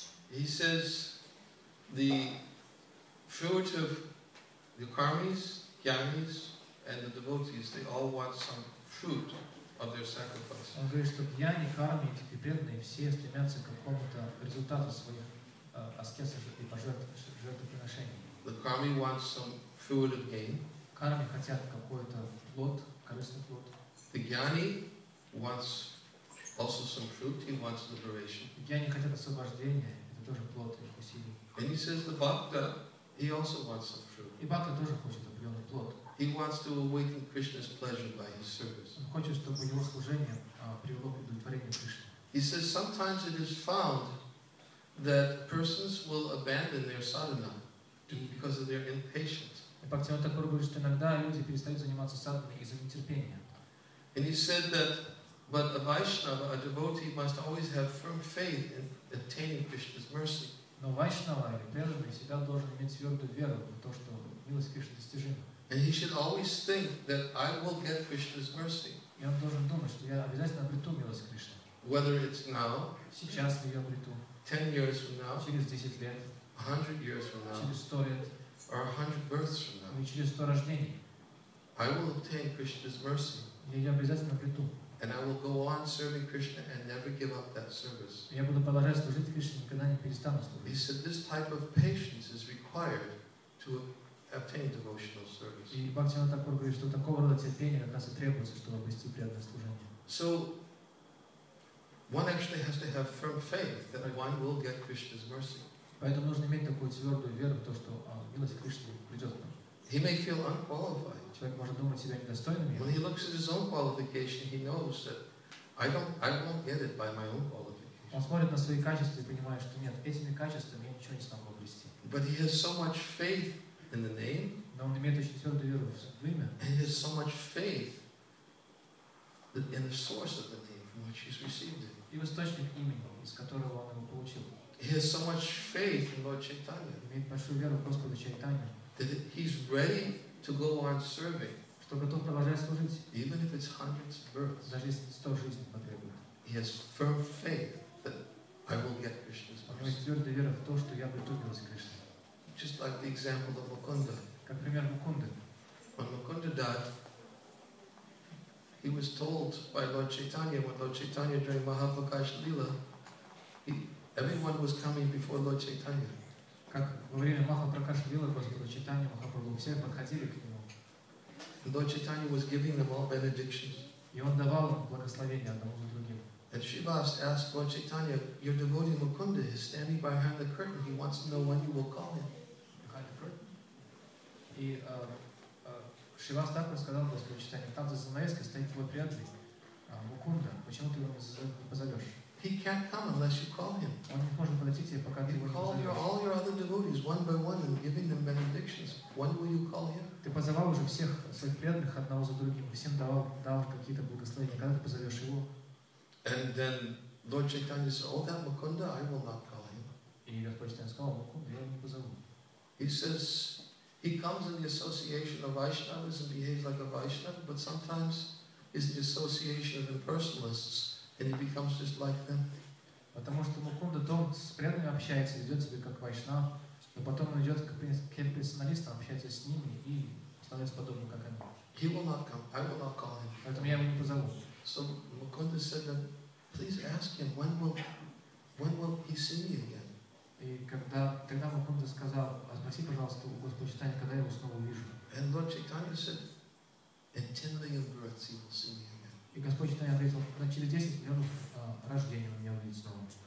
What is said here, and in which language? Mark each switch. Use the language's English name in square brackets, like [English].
[English] He says the fruit of the karmis, jnanis, and the devotees, they all want some fruit of their sacrifice. [Russian] Он говорит, что пьяни, карми, эти бедные, все стремятся к какому-то результату своих аскез и жертвоприношений. [English] The karmi wants some fruit of gain. [Russian] Карми хотят какой-то плод, корыстный плод. [English] The jnani wants also some fruit, he wants liberation. [Russian] Jnani хотят освобождения, это тоже плод их усилий. [English] And he says the bhakta, he also wants some fruit. [Russian] И бхакта тоже хочет определенный плод. [English] He wants to awaken Krishna's pleasure by his service. [Russian] Он хочет, чтобы его служение привело к удовлетворению Кришны. [English] He says sometimes it is found that persons will abandon their sadhana because of their impatience. [Russian] Бхактивинода Тхакур говорит, что иногда люди перестают заниматься садханой из-за нетерпения. [English] And he said that, but a Vaishnava, a devotee, must always have firm faith in attaining Krishna's mercy. [Russian] Но Вайшнава или преданный всегда должен иметь твердую веру в то, что милость Кришны достижима. [English] And he should always think that I will get Krishna's mercy. [Russian] И он должен думать, что я обязательно обрету милость Кришны. [English] Whether it's now, [Russian] сейчас ли я обрету, [English] 10 years from now, [Russian] через 10 лет, [English] 100 years from now, [Russian] через 100 лет, [English] or 100 births from now, [Russian] через 100 рождений, [English] I will obtain Krishna's mercy. [Russian] Я обязательно приду. [English] And I will go on serving Krishna and never give up that service. [Russian] Я буду продолжать служить Кришне, никогда не перестану служить. [English] He said this type of patience is required to obtain devotional service. [Russian] И Бхактивинода Тхакур говорит, что такого рода терпение как раз и требуется, чтобы обрести преданное служение. [English] So one actually has to have firm faith that one will get Krishna's mercy. [Russian] Поэтому нужно иметь такую твердую веру в то, что милость Кришны придет к нам. [English] He may feel unqualified. [Russian] Человек может думать себя недостойным. [English] When he looks at his own qualification, he knows that I won't get it by my own qualification. [Russian] Он смотрит на свои качества и понимает, что нет, этими качествами я ничего не смогу обрести. [English] But he has so much faith in the name. [Russian] Но он имеет очень твердую веру в имя. [English] And he has so much faith in the source of the name from which he's received it. [Russian] И в источник имени, из которого он его получил. [English] He has so much faith in Lord Chaitanya. [Russian] Он имеет большую веру в Господа Чайтанью. [English] That he's ready to go on serving. [Russian] Что готов продолжать служить. [English] Even if it's hundreds of births. [Russian] Даже если 100 жизней потребует. [English] He has firm faith that I will get Krishna's mercy. [Russian] У него есть твердая вера в то, что я приду к Кришне. [English] Just like the example of Mukunda. [Russian] Как пример Мукунды. [English] When Mukunda died, he was told by Lord Chaitanya, when Lord Chaitanya during Mahaprakash Lila, everyone was coming before Lord Chaitanya. [Russian] Как во время Махапракаш Лилы Господа Чайтанья Махапрабху все подходили к нему. [English] Lord Chaitanya was giving them all benedictions. [Russian] И он давал благословения одному за другим. [English] And Shivas asked Lord Chaitanya, your devotee Mukunda is standing behind the curtain. He wants to know when you will call him. Behind the curtain. [Russian] И Шивас так сказал Господу Чайтанья, там за занавеской стоит твой преданный Мукунда. Почему ты его не позовешь? [English] He can't come unless you call him. You call all your other devotees one by one and giving them benedictions. When will you call him? [Russian] Ты позвал уже всех своих преданных одного за другим, всем дал какие-то благословения. Когда ты позовешь его? [English] And then Lord Chaitanya said, "Oh, that Mukunda, I will not call him." [Russian] И Господь Чайтанья сказал, Мукунда, я не позову. [English] He says he comes in the association of Vaishnavas and behaves like a Vaishnava, but sometimes is the association of impersonalists. And he becomes just like them. [Russian] Потому что Мукунда то с преданными общается, ведет себя как вайшнав, но потом он идет к персоналистам, общается с ними и становится подобным, как они. [English] He will not come. I will not call him. [Russian] Поэтому я его не позову. [English] So Mukunda said that, please ask him when will he see me again. [Russian] И тогда Mukunda сказал, спроси, пожалуйста, у Господа Чайтанья, когда я его снова увижу. [English] And Lord Chaitanya said, in 10 million births he will see me again. [Russian] И Господь Чайтанья ответил, через 10 миллионов рождений он меня увидит снова.